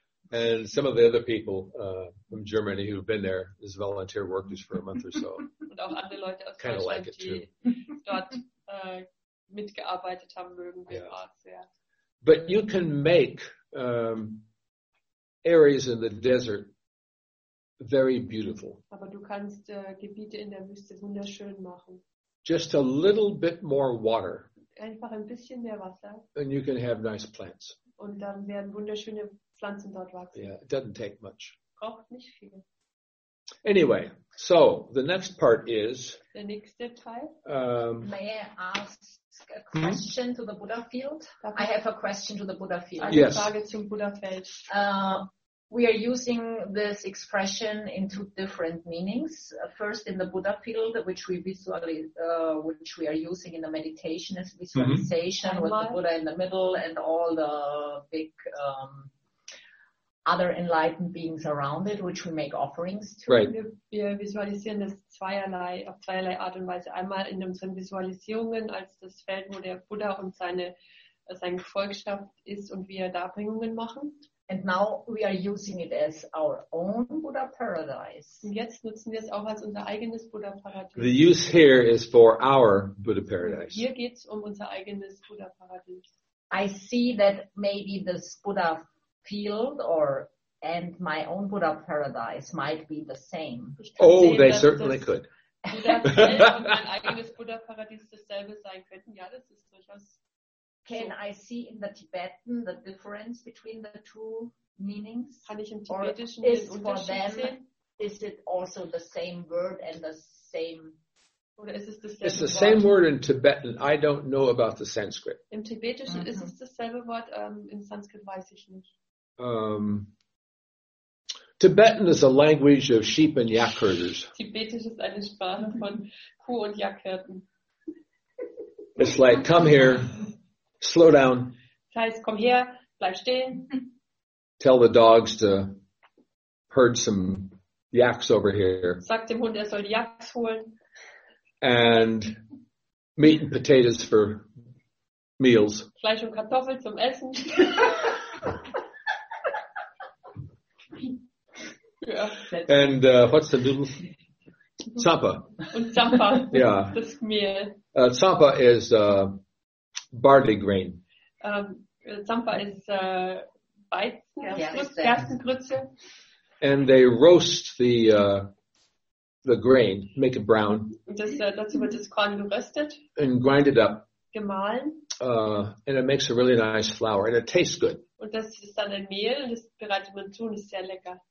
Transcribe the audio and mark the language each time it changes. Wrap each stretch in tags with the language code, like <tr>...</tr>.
<en>And some of the other people from Germany who've been there as volunteer workers for a month or so.</en> <de>Und auch andere Leute aus Deutschland, like die dort mitgearbeitet haben, mögen wir auch sehr.</de> <en>But you can make areas in the desert very beautiful.</en> <de>Aber du kannst Gebiete in der Wüste wunderschön machen.</de> <en>Just a little bit more water.</en> <de>Einfach ein bisschen mehr Wasser.</de> <en>And you can have nice plants.</en> <de>Und dann werden wunderschöne Pflanzen dort wachsen.</de> <en>Yeah, it doesn't take much.</en> <de>Braucht nicht viel.</de> <en>Anyway, so the next part is.</en> <de>Der nächste Teil.</de> <en>May I ask a question to the Buddha field? I have a question to the Buddha field.</en> <de>Eine Frage zum Buddha Feld.</de> <en>We are using this expression in two different meanings. First, in the Buddha field, which we are using in the meditation as visualization with the Buddha in the middle and all the big other enlightened beings around it, which we make offerings to. Right.</en> <de>Wir visualisieren das zweierlei, auf zweierlei Art und Weise. Einmal in unseren Visualisierungen als das Feld, wo der Buddha und seine Gefolgschaft ist und wir Darbringungen machen.</de> <en>And now we are using it as our own Buddha paradise.</en> <de>Und jetzt nutzen wir es auch als unser eigenes Buddha Paradies.</de> <en>The use here is for our Buddha paradise.</en> <de>Hier geht's um unser eigenes Buddha Paradies.</de> <en>I see that maybe this Buddha field or and my own Buddha paradise might be the same. Oh, they certainly could.</en> <de>Buddha field und mein eigenes Buddha Paradies dasselbe sein könnten. Ja, das ist durchaus.</de> <en>Can I see in the Tibetan the difference between the two meanings?</en> <de>Kann ich im Tibetischen den Unterschied sehen?</de> <en>Is it also the same word and the same?</en> <de>Oder ist es dasselbe?</de> <en>It's the same word in Tibetan. I don't know about the Sanskrit.</en> <de>Im Tibetischen ist es dasselbe Wort. In Sanskrit weiß ich nicht.</de> <en>Tibetan is a language of sheep and yak herders.</en> <de>Tibetisch ist eine Sprache von Kuh und Yak-Hirten.</de> <en>It's like, come here. Slow down.</en> <de>Das heißt, komm her, bleib stehen.</de> <en>Tell the dogs to herd some yaks over here.</en> <de>Sag dem Hund, er soll die Yaks holen.</de> <en>And meat and potatoes for meals.</en> <de>Fleisch und Kartoffeln zum Essen.</de> <en>And what's the noodle? Zampa.</en> <de>Und Zampa.</de> <en>Yeah.</en> <de>Das Mehl.</de> <en>Zampa is barley grain.</en> <de>Zampa ist Weizen, Gerstengrütze.</de> <en>And they roast the grain, make it brown.</en> <de>Das, dazu wird das Korn geröstet.</de> <en>And grind it up.</en> <de>Gemahlen.</de> <en>And it makes a really nice flour, and it tastes good.</en> <de>Und das ist dann ein Mehl, und das bereitet man zu, und ist sehr lecker.</de>